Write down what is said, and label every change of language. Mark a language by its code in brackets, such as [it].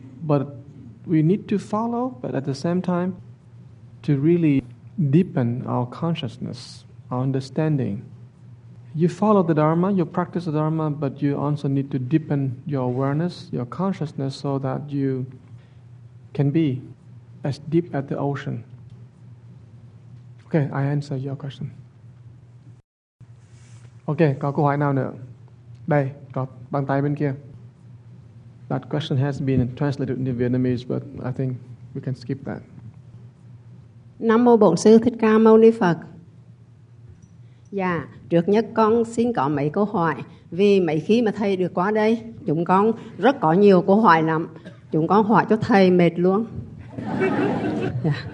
[en] But we need to follow, but at the same time, to really deepen our consciousness, our understanding. You follow the Dharma, you practice the Dharma, but you also need to deepen your awareness, your consciousness, so that you can be as deep as the ocean. Okay, I answer your question. Okay, [vi] có câu hỏi nào nữa? Đây, có bàn tay bên kia. [en] That question has been translated into Vietnamese, but I think we can skip that. [vi] Nam mô Bổn Sư Thích Ca Mâu Ni Phật. Dạ, trước nhất con xin có mấy câu hỏi. Vì mấy khi mà thầy được qua đây, chúng con rất có nhiều câu hỏi lắm. Chúng con hỏi cho thầy mệt luôn. Dạ.